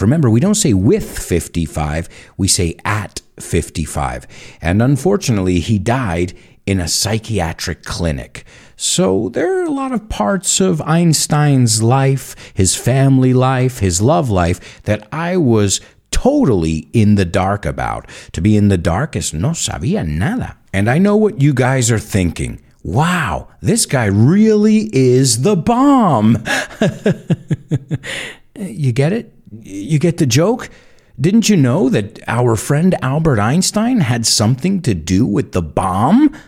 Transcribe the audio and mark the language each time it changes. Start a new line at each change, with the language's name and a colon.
English: Remember, we don't say with 55, we say at 55. And unfortunately, he died in a psychiatric clinic. So there are a lot of parts of Einstein's life, his family life, his love life, that I was totally in the dark about. To be in the dark is
Spanish: no sabía nada.
English: And I know what you guys are thinking. Wow, this guy really is the bomb. You get it? You get the joke? Didn't you know that our friend Albert Einstein had something to do with the bomb?